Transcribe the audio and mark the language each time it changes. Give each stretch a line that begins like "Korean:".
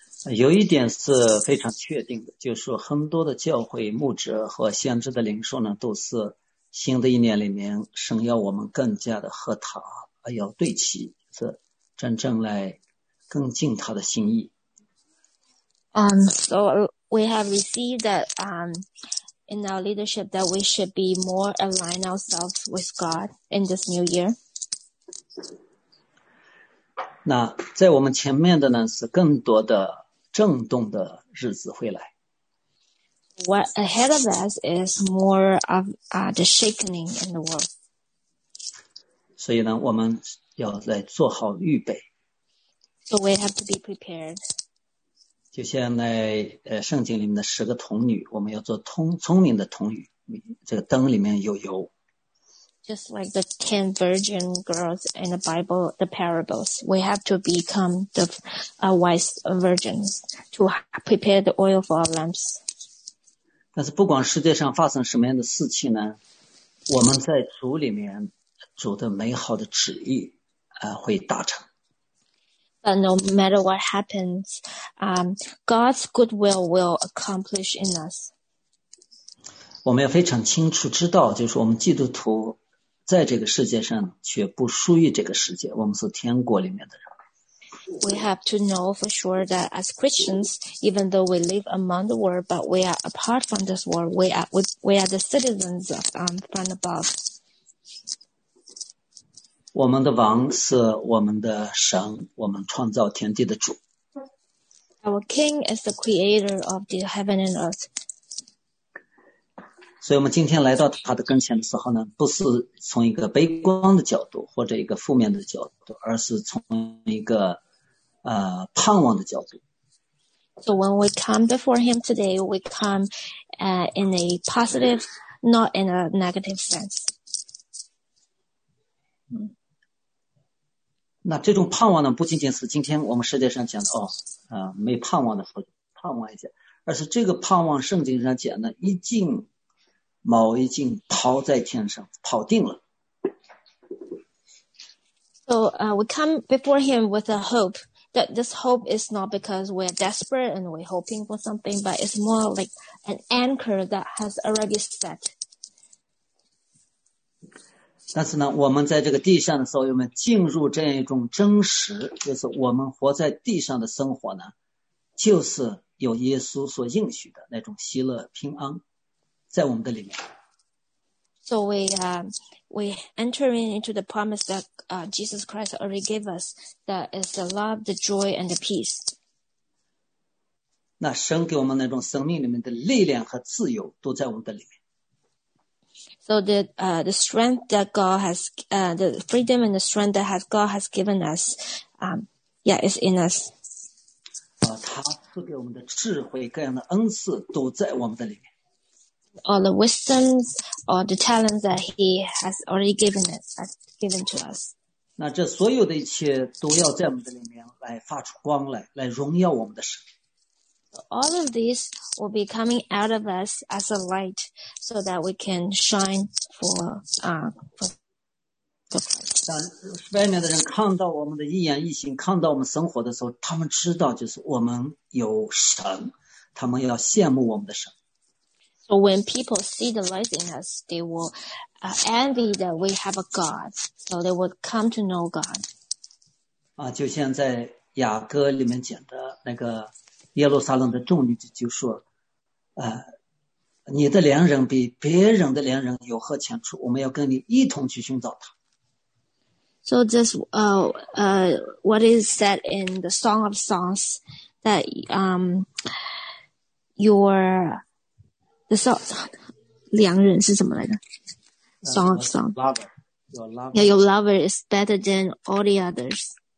Chinese: 有一点是非常确定的，就是说很多的教会牧者和先知的领受呢，都是新的一年里面，神要我们更加的和他要对齐，是真正来更近他的心意。
English: So we have received that in our leadership that we should be more align ourselves with God in this new year.
Chinese: 那在我们前面的呢是更多的震动的日子会来。
English: What ahead of us is more of the shaking in the world.
Chinese: 所以呢我们要来做好预备。
English: So we have to be prepared.
Chinese: 就像在圣经里面的十个童女，我们要做聪明的童女，这个灯里面有油。
English: Just like the 10 virgin girls in the Bible, the parables, we have to become the wise virgins to prepare the oil for our lamps.
Chinese: 但是不管世界上发生什么样的事情呢，我们在主里面，主的美好的旨意会达成。
English: But no matter what happens, God's goodwill will accomplish in us.
Chinese: 我们要非常清楚知道，就是我们基督徒在这个世界上却不属于这个世界，我们是天国里面的人。
English: We have to know for sure that as Christians, even though we live among the world, but we are apart from this world, we are the citizens of, from above.
Chinese: 我们的王是我们的神，我们创造天地的主。
English: Our King is the creator of the heaven and earth.
Chinese: 所以我们今天来到他的跟前的时候呢，不是从一个悲观的角度或者一个负面的角度，而是从一个盼望的角度。
English: So when we come before him today, we come in a positive, not in a negative sense.
Chinese: 那这种盼望呢，不仅仅是今天我们世界上讲的没盼望的时候盼望一下，而是这个盼望圣经上讲的一进锚一进抛在天上跑定了。
English: So we come before him with a hope that this hope is not because we're desperate and we're hoping for something, but it's more like an anchor that has already set.
Chinese: 但是呢，我们在这个地上的时候，我们进入这样一种真实，就是我们活在地上的生活呢，就是有耶稣所应许的那种喜乐平安，在我们的里面。
English: So we entering into the promise that Jesus Christ already gave us, that is the love, the joy, and the peace.
Chinese: 那神给我们那种生命里面的力量和自由，都在我们的里面。
English: So the strength that God has, the freedom and the strength that God has given us, is in us.
Chinese: 他赐给我们的智慧，各样的恩赐都在我们的里面。
English: All the wisdoms, all the talents that He has already given us, has given to us.
Chinese: 那这所有的一切都要在我们的里面来发出光来，来荣耀我们的神。
English: All of this will be coming out of us as a light so that we can shine for the Christ.
Chinese: 当外面的人看到我们的一言一行，看到我们生活的时候，他们知道就是我们有神，他们要羡慕我们的神。
English: So when people see the light in us, they will envy that we have a God. So they will come to know God.
Chinese: 就像在雅歌里面讲的那个耶路撒冷的众女就说你的良人比别人的良人有何强处，我们要跟你一同去寻找他。
English: So this, what is said in the Song of Songs, that, the song,
Chinese: 良人是什么来的
English: ?Song of Songs. Your lover is better than all the others.